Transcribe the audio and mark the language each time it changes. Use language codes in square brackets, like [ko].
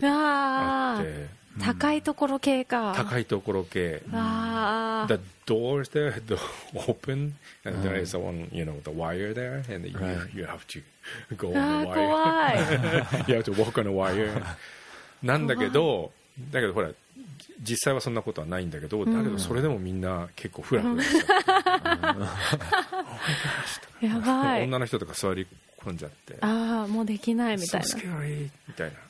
[ja] あって、うん、高いところ系か。高いところ系、 [en] The doors there, the open, and there is someone, you know, the wire there, and you have to go on the wire. [ja] 怖い。 [en] You have to walk on a wire. [ja] なんだけど、だけどほら、実際はそんなことはないんだけど、だけどそれでもみんな結構フラフラしちゃって、女の人とか座り込んじゃって、ああもうできないみたいな。 [en] So scary [ja] みたいな。